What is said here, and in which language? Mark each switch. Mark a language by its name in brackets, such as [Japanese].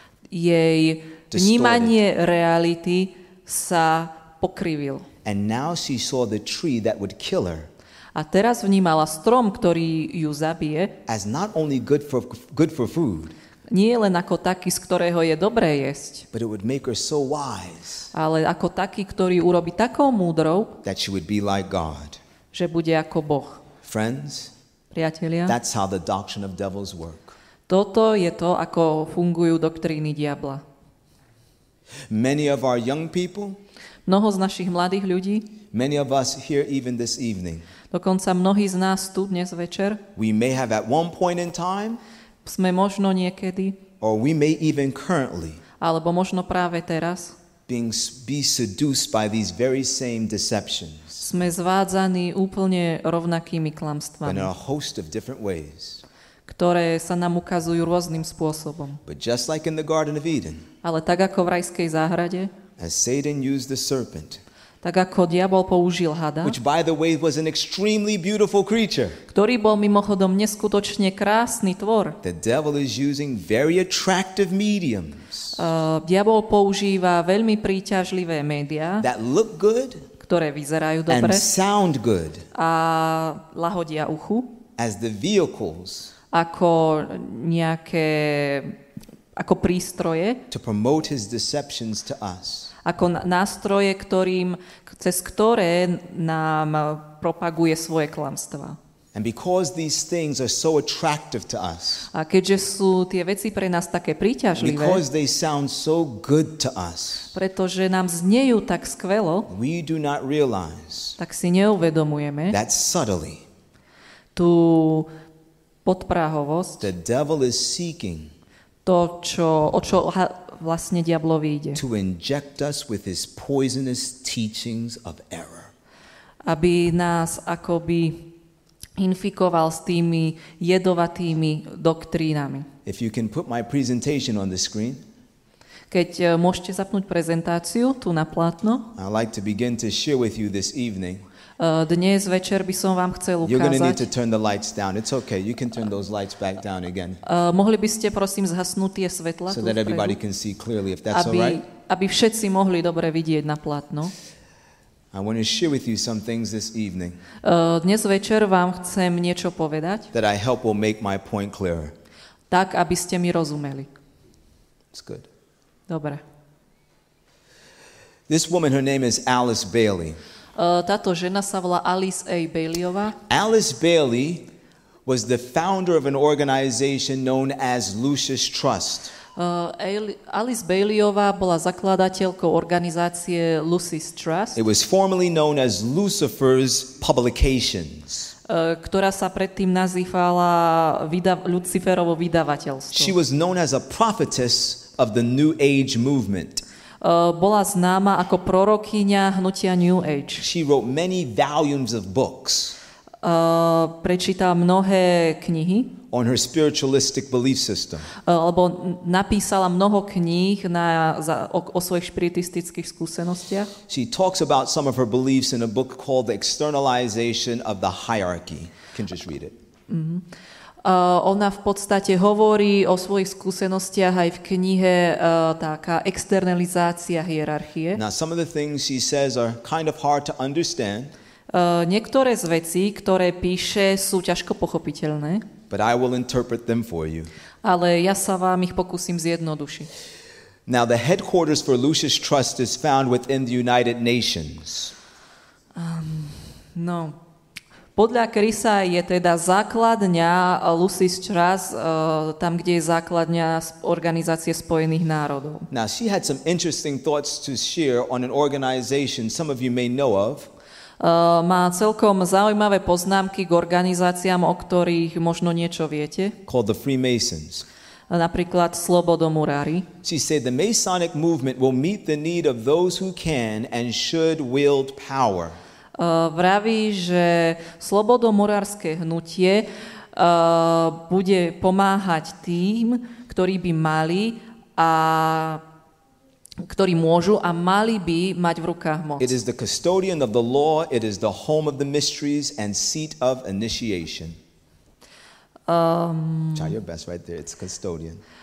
[Slovak] jej vnímanie reality sa pokrivil. [English] And now she saw the tree that would kill her. [Slovak] A teraz vnímala strom, ktorý ju zabije. [English] As not only good for food. [Slovak] Nie len ako taký, z ktorého je dobré jesť. [English] But it would make her so wise. [Slovak] Ale ako taký, ktorý urobí takou múdrou. [English] That she would be like God. [Slovak] Že bude ako Boh. [English] Friends. [Slovak] Priatelia. [English] That's how the doctrine of devils work. [Slovak] Toto je to, ako fungujú doktríny diabla. [English] Many of our young people. [Slovak] Mnoho z našich mladých ľudí. [English] Many of us here even this evening. [Slovak] Dokonca mnohí z nás tu dnes večer. [English] We may have at one point in time. [Slovak] Sme možno niekedy. [English] Or we may even currently. [Slovak] Alebo možno práve teraz. [English] be seduced by these very same deceptions. [Slovak] Sme zvádzaní úplne rovnakými klamstvami. [English] In a host of different ways. [Slovak] Ktoré sa nám ukazujú rôznym spôsobom. [English] But just like in the Garden of Eden. [Slovak] Ale tak ako v rajskej záhrade. [English] As Satan used the serpent. [Slovak] Tak ako diabol použil hada. [English] Which by the way was an extremely beautiful creature. [Slovak] Ktorý bol mimochodom neskutočne krásny tvor. [English] The devil is using very attractive mediums. [Slovak] Diabol používa veľmi príťažlivé médiá. [English] That look good. [Slovak] Ktoré vyzerajú dobre. [English] And sound good. [Slovak] A lahodia uchu. [English] As the vehicles. [Slovak] Ako nejaké ako prístroje. [English] To promote his deceptions to us. [Slovak] Ako nástroje, ktorým cez ktoré nám propaguje svoje klamstva. [English] And because these things are so attractive to us. [Slovak] A keďže sú tie veci pre nás také príťažlivé. [English] Because they sound so good to us. [Slovak] Pretože nám zniejú tak skvelo. [English] We do not realize. [Slovak] Tak si neuvedomujeme. [English] That subtly. [Slovak] Tú podprahovosť. [English] The devil is seeking. [Slovak] To, čo, o čo vlastne diablovi ide. [English] To inject us with his poisonous teachings of error. [Slovak] Aby nás akoby infikoval s tými jedovatými doktrínami. [English] If you can put my presentation on the screen. [Slovak] Keď môžete zapnúť prezentáciu tu na plátno. [English] I'd like to begin to share with you this evening. [Slovak] Dnes večer by som vám chcel ukázať. [English] You're going to need to turn the lights down. It's okay. You can turn those lights back down again. [Slovak] Mohli by ste prosím zhasnúť tie svetla? [English] So that everybody can see clearly, if that's all right. [Slovak] Aby všetci mohli dobre vidieť na plátno. [English] I want to share with you some things this evening. [Slovak] Dnes večer vám chcem niečo povedať. [English] That I hope will make my point clearer. [Slovak] Tak, aby ste mi rozumeli. [English] It's good. [Slovak] Dobre. [English] This woman, her name is Alice Bailey. [Slovak] Táto žena sa volá Alice A. Baileyová. [English] Alice Bailey was the founder of an organization known as Lucius Trust. [Slovak] Alice Baileyová bola zakladateľkou organizácie Lucius Trust. [English] It was formerly known as Lucifer's Publications. [Slovak] Ktorá sa predtým nazývala Luciferovo vydavateľstvo. [English] She was known as a prophetess of the New Age movement. [Slovak] Bola známa ako prorokyňa hnutia New Age. [English] She wrote many volumes of books. [Slovak] Prečítala mnohé knihy. [English] On her spiritualistic belief system. [Slovak] Alebo napísala mnoho kníh o svojich spiritistických skúsenostiach. [English] She talks about some of her beliefs in a book called The Externalization of the Hierarchy. You can just read it. [Slovak] Ona v podstate hovorí o svojich skúsenostiach aj v knihe taká externalizácia hierarchie. [English] Now some of the things she says are kind of hard to understand. [Slovak] Niektoré z vecí, ktoré píše, sú ťažko pochopiteľné. [English] But I will interpret them for you. [Slovak] Ale ja sa vám ich pokúsim zjednodušiť. [English] Now the headquarters for Lucius Trust is found within the United Nations. [Slovak] No. Podľa Krisa je teda základňa Lucius Trust tam, kde je základňa Organizácie spojených národov. [English] Now, she had some interesting thoughts to share on an organization some of you may know of. [Slovak] Má celkom zaujímavé poznámky k organizáciám, o ktorých možno niečo viete. [English] Called the Freemasons. [Slovak] Napríklad Slobodomurári. [English] She said the Masonic movement will meet the need of those who can and should wield power. [Slovak] Vraví, že slobodomurárske hnutie bude pomáhať tým, ktorí by mali a ktorí môžu a mali by mať v rukách moc. [English] It is the custodian of the law, it is the home of the mysteries and seat of initiation. Try your best right there, it's custodian.